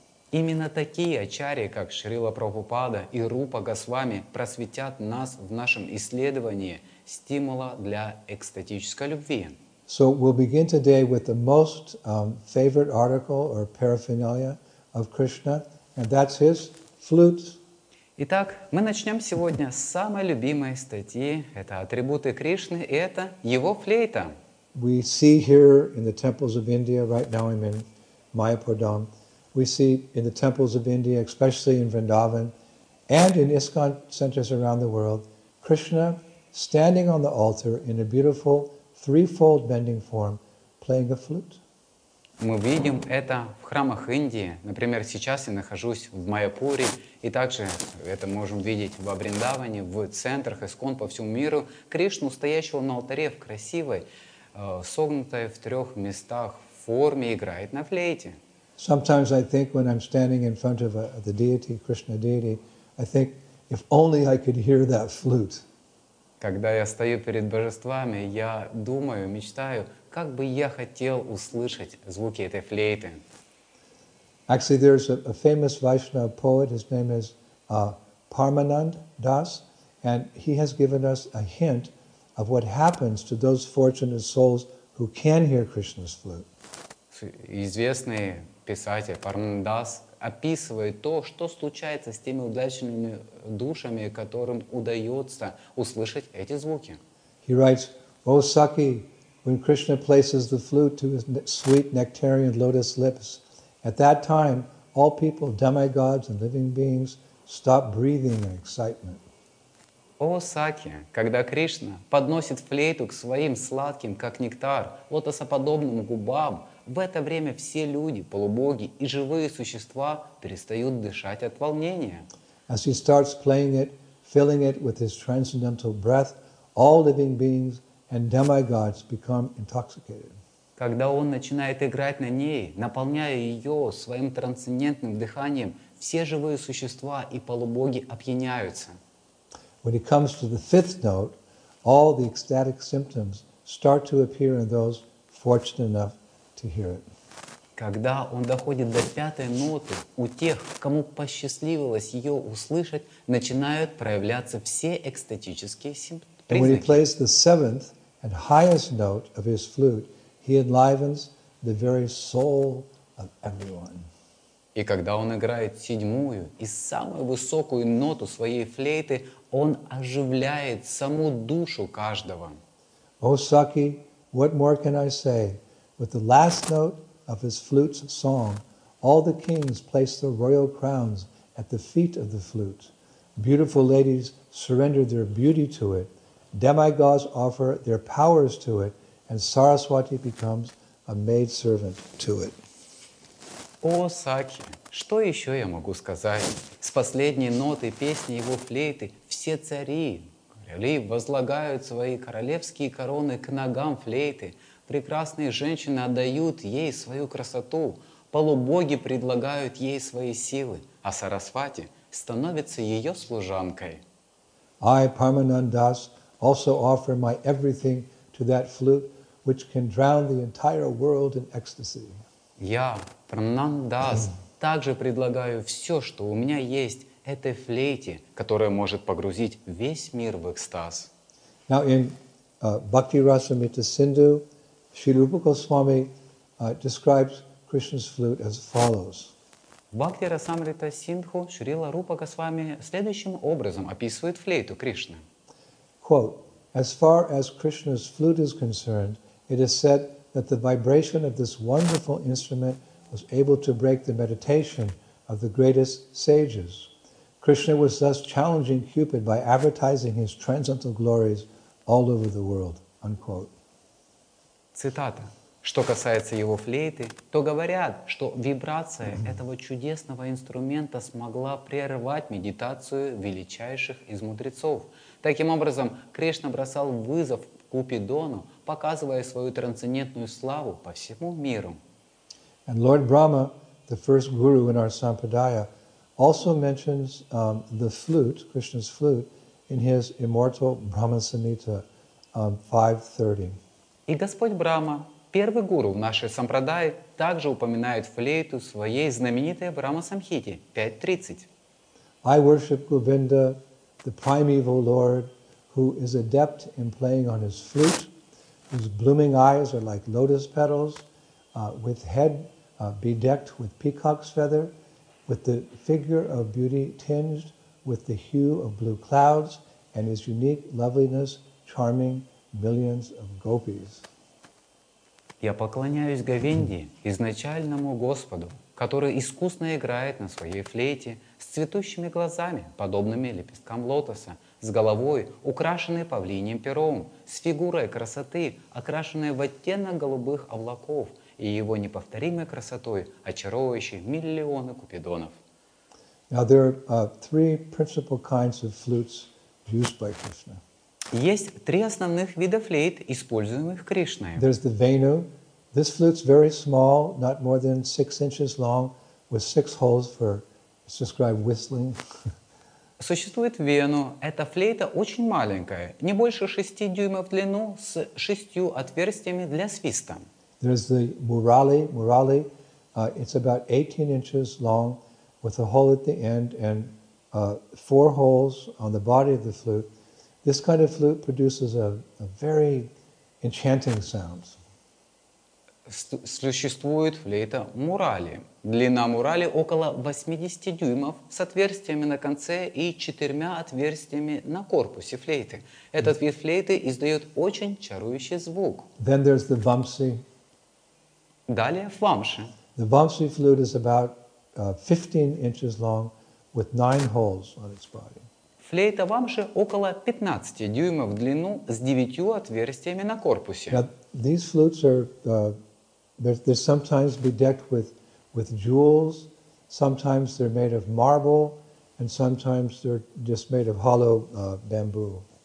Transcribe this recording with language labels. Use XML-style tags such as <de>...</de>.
<ru>Именно такие ачарьи, как Шрила Прабхупада и Рупа Госвами, просветят нас в нашем исследовании стимула для экстатической любви.</ru> <en>So we'll begin today with the most favorite article or paraphernalia of Krishna, and that's his flute.</en> <ru>Итак, мы начнем сегодня с самой любимой статьи. Это атрибуты Кришны, и это его флейта.</ru> <en>We see here in the temples of India, right now I'm in Mayapur Dham, we see in the temples of India, especially in Vrindavan, and in ISKCON centers around the world, Krishna standing on the altar in a beautiful threefold bending form, playing a flute.</en> <ru>Мы видим это в храмах Индии. Например, сейчас я нахожусь в Майяпуре, и также это можем видеть во Вриндаване, в центрах ИСКОН по всему миру, Кришну, стоящего на алтаре в красивой, согнутой в трех местах форме, играет на флейте.</ru> <en>Sometimes I think when I'm standing in front of the deity, Krishna deity, I think, if only I could hear that flute.</en> <ru>Когда я стою перед божествами, я думаю, мечтаю, как бы я хотел услышать звуки этой флейты.</ru> <en>Actually, there's a famous Vaishnava poet, his name is Parmanand Das, and he has given us a hint of what happens to those fortunate souls who can hear Krishna's flute.</en> <ru>Известный писатель Парманандас описывает то, что случается с теми удачными душами, которым удается услышать эти звуки.</ru> <en>He writes, O Sakhi, when Krishna places the flute to his sweet nectarian lotus lips, at that time all people, demigods and living beings, stop breathing in excitement.</en> <ru>О, Сакхи, когда Кришна подносит флейту к своим сладким, как нектар, лотосоподобным губам, в это время все люди, полубоги и живые существа перестают дышать от волнения.</ru> <en>As he starts playing it, filling it with his transcendental breath, all living beings and demigods become intoxicated.</en> <ru>Когда он начинает играть на ней, наполняя ее своим трансцендентным дыханием, все живые существа и полубоги опьяняются.</ru> <en>When it comes to the fifth note, all the ecstatic symptoms start to appear in those fortunate enough to hear it.</en> <ru>Когда он доходит до пятой ноты, у тех, кому посчастливилось ее услышать, начинают проявляться все экстатические признаки.</ru> <en>And when he plays the seventh and highest note of his flute, he enlivens the very soul of everyone.</en> <ru>И когда он играет седьмую и самую высокую ноту своей флейты, он оживляет саму душу каждого.</ru> <en>О, Сакхи, what more can I say? With the last note of his flute's song, all the kings place their royal crowns at the feet of the flute. Beautiful ladies surrender their beauty to it. Demigods offer their powers to it, and Saraswati becomes a maidservant to it.</en> <ru>О, Сакхи, что еще я могу сказать? С последней ноты песни его флейты все цари, короли, возлагают свои королевские короны к ногам флейты. Прекрасные женщины отдают ей свою красоту. Полубоги предлагают ей свои силы, а Сарасвати становится ее служанкой.</ru> <en>I, Paramanandas, also offer my everything to that flute, which can drown the entire world in ecstasy.</en> <ru>Я, Прананддас, также предлагаю все, что у меня есть, этой флейте, которая может погрузить весь мир в экстаз.</ru> <en>Now in Bhakti Rasamrita Sindhu, Śrīla Rūpa Gosvāmī describes Krishna's flute as follows.</en> <ru>Bhakti Rasamrita Sindhu, Śrīla Rūpa Gosvāmī следующим образом описывает флейту Кришны.</ru> <en>Quote, as far as Krishna's flute is concerned, it is said that the vibration of this wonderful instrument was able to break the meditation of the greatest sages. Krishna was thus challenging Cupid by advertising his transcendental glories all over the world. Unquote.</en> <ru>Цитата. Что касается его флейты, то говорят, что вибрация этого чудесного инструмента смогла прервать медитацию величайших из мудрецов. Таким образом, Кришна бросал вызов Купидону, показывая свою трансцендентную славу по всему миру.</ru> <en>And Lord Brahma, the first guru in our Sampradaya, also mentions the flute, Krishna's flute, in his immortal Brahma Samhita 5.30.</en> <ru>И Господь Брама, первый гуру в нашей Сампрадае, также упоминает флейту своей знаменитой Брама Самхите 5.30.</ru> <en>I worship Govinda, the primeval lord, who is adept in playing on his flute, whose blooming eyes are like lotus petals, with head bedecked with peacock's feather, with the figure of beauty tinged with the hue of blue clouds, and his unique loveliness charming millions of gopis.</en> <ru>Я поклоняюсь Говинде, изначальному Господу, который искусно играет на своей флейте, с цветущими глазами, подобными лепесткам лотоса, с головой, украшенной павлиньим пером, с фигурой красоты, окрашенной в оттенок голубых облаков, и его неповторимой красотой, очаровывающей миллионы купидонов.</ru> <en>Now there are three principal kinds of flutes used by Krishna.</en> <ru>Есть три основных вида флейт, используемых Кришной.</ru> <en>There's the Venu. This flute's very small, not more than 6 inches long, with 6 holes for, it's described whistling.</en> <ru>Существует Вену. Эта флейта очень маленькая, не больше 6 дюймов в длину, с 6 отверстиями для свиста.</ru> <en>There's the Murali. Murali, it's about 18 inches long, with a hole at the end and 4 holes on the body of the flute. This kind of flute produces a very enchanting sound.</en> <ru>существует флейта Мурали. Длина Мурали около 80 дюймов с отверстиями на конце и четырьмя отверстиями на корпусе флейты. Этот вид флейты издает очень чарующий звук.</ru> <en>Then there's the Vamsi.</en> <ru>Далее фламши.</ru> <en>The Vamsi flute is about 15 inches long with 9 holes on its body.</en> <ru>Флейта вамши около 15 дюймов в длину с 9 отверстиями на корпусе.</ru> <en>Now, these flutes are they're sometimes bedecked with jewels, sometimes they're made of marble, and sometimes they're just made of hollow bamboo.</en>